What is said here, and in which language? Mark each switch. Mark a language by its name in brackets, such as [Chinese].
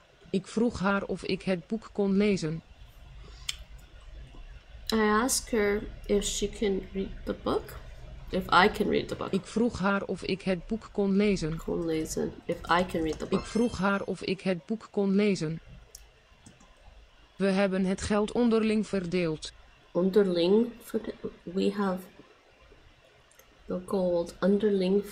[Dutch] Ik vroeg haar of ik het boek kon lezen. [English] I asked her if she can read the book. If I can read the book. [Dutch] Ik vroeg haar of ik het boek kon lezen. Kon lezen. [English] If I can read the book. [Dutch] Ik vroeg haar of ik het boek kon lezen. We hebben het geld onderling verdeeld. Onderling verdeeld? [English] We have the gold. [Dutch] Onderling.